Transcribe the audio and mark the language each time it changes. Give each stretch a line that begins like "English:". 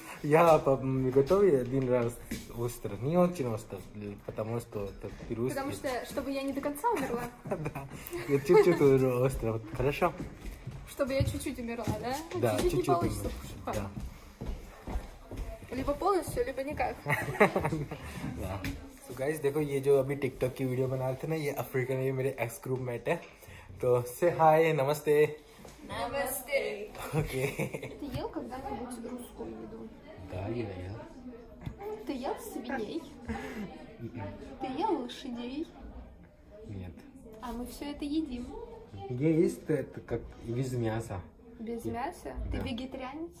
Russian: Я готовил один раз остро, не очень остро, потому что это русский. Потому что, чтобы я не до конца умерла. Да, я чуть-чуть уже остро, вот, хорошо? Чтобы я чуть-чуть умерла, да? Да, чуть-чуть. Чуть-чуть не получится. Да. Либо полностью, либо никак. Да.
English: So guys,
Hindi: देखो ये जो अभी TikTok की वीडियो बना रहे थे ना ये अफ्रीका में मेरे एक्स ग्रुप मेट है तो से हाय नमस्ते नमस्ते ओके
Russian: ты ел когда-нибудь русскую еду Да, я ел. Ты ел свиней? Ты ел лошадей? Нет. А мы все это едим? Есть это как без мяса. Без мяса? Ты вегетарианец?